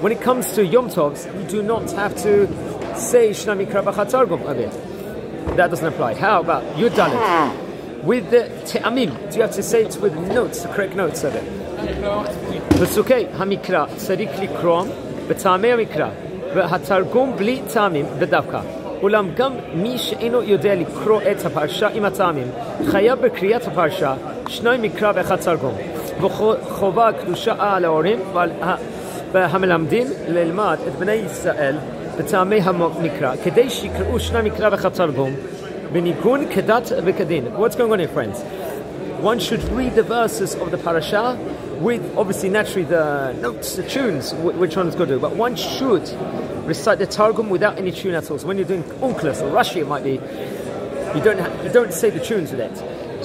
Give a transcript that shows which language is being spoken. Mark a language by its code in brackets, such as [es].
[en] When it comes to Yom Tovs, you do not have to say Shnai Mikra B'chatargum of it. That doesn't apply. How about Yud Dalet? With the Te'amim, do you have to say it with notes, the correct notes of it? [he] Pesukei HaMikra Sarik Likro B'tamei HaMikra והתרגום בלי טעמים בדווקא. אולם גם מי שאינו יודע לקרוא את הפרשה עם הטעמים, חייב בקריאת הפרשה שני מקרא ואחד תרגום. וחובה קדושה על ההורים ועל המלמדים ללמד את בני ישראל בטעמי המקרא, כדי שיקראו שני מקרא ואחד תרגום בניגון כדת וכדין. [en] What's going on here, friends? One should read the verses of the parasha with, obviously, naturally, the notes, the tunes, which one is going to do. But one should recite the Targum without any tune at all. So when you're doing Unklus or Rashi, it might be, you don't say the tunes with it.